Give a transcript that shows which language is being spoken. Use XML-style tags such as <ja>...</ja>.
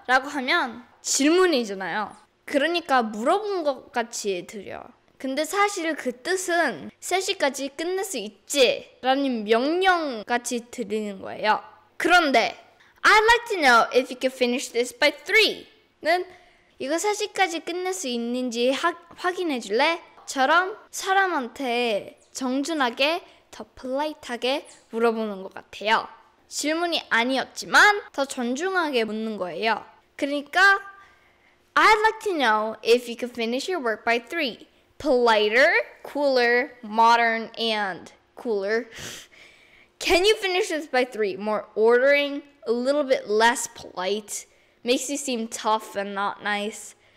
<ko>라고 하면 질문이잖아요. 그러니까 물어본 것 같이 들려. 근데 사실 그 뜻은 3시까지 끝낼 수 있지? 라는 명령 같이 들리는 거예요. 그런데</ko> <en>I'd like to know if you can finish this by 3.</en> <ko>는 이거 3시까지 끝낼 수 있는지 확인해 줄래? 처럼 사람한테 정중하게 더 polite하게 물어보는 것 같아요. 질문이 아니었지만 더 존중하게 묻는 거예요. 그러니까</ko> <en>I'd like to know if you could finish your work by 3. Politer, cooler, modern, and cooler. Can you finish this by 3? More ordering, a little bit less polite. Makes you seem tough and not nice.</en>